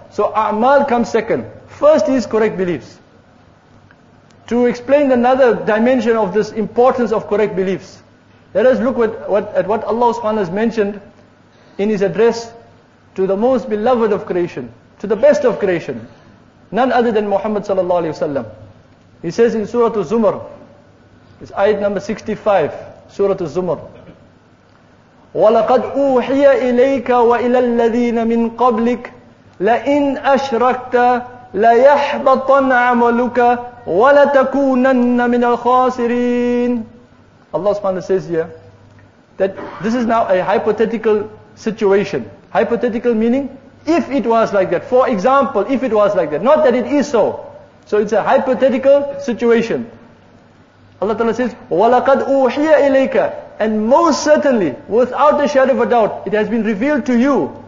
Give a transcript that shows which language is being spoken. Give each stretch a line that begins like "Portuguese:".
English: So a'mal comes second. First is correct beliefs. To explain another dimension of this importance of correct beliefs, let us look at what Allah subhanahu wa ta'ala has mentioned in His address to the most beloved of creation, to the best of creation, none other than Muhammad sallallahu alayhi wa sallam. He says in Surah Az-Zumar, it's ayat number 65, Surah Az-Zumar.
Arabic: وَلَقَدْ أُوحِيَ إِلَيْكَ وَإِلَى الَّذِينَ مِنْ قَبْلِكَ لَإِنْ أَشْرَكْتَ لَيَحْبَطَنَّ عَمَلُكَ وَلَتَكُونَنَّ مِنَ الْخَاسِرِينَ
English: Allah subhanahu wa ta'ala says here that this is now a hypothetical situation. Hypothetical meaning, if it was like that. For example, if it was like that. Not that it is so. So it's a hypothetical situation. Allah ta'ala says,
Arabic: وَلَقَدْ أُوحِيَ إِلَيْكَ
English: And most certainly, without a shadow of a doubt, it has been revealed to you.